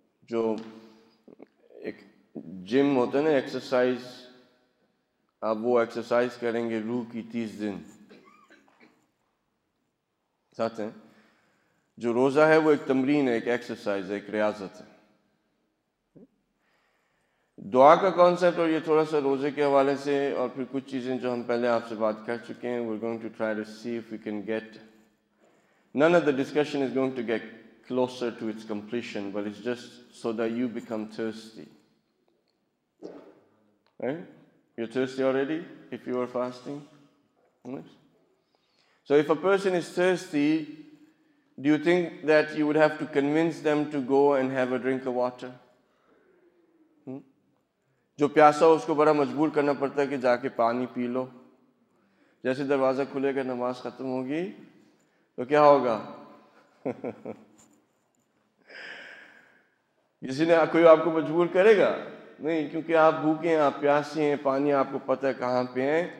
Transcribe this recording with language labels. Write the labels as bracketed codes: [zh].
[ur] جو ایک جم ہوتا ہے نا، ایکسرسائز، آپ وہ ایکسرسائز کریں گے روح کی 30 دن. ساتھ ہیں جو روزہ ہے وہ ایک تمرین ہے، ایک ایکسرسائز ہے، ایک ریاضت ہے. دعا کا کانسیپٹ اور یہ تھوڑا سا روزے کے حوالے سے، اور پھر کچھ چیزیں جو ہم پہلے آپ سے بات کر چکے ہیں. [en] We're going to try to see if we can get, none of the discussion is going to get closer to its completion, but it's just so that you become thirsty. Right? You're thirsty already if you are fasting? Yes. So if a person is thirsty, do you think that you would have to convince them to go and have a drink of water? [ur] جو پیاسا ہو اس کو بڑا مجبور کرنا پڑتا ہے کہ جا کے پانی پی لو. جیسے دروازہ کھلے گا، نماز ختم ہوگی تو کیا ہوگا؟ کسی نے کوئی آپ کو مجبور کرے گا؟ نہیں، کیونکہ آپ بھوکے ہیں، آپ پیاسے ہیں، پانی آپ کو پتہ ہے کہاں پہ ہیں.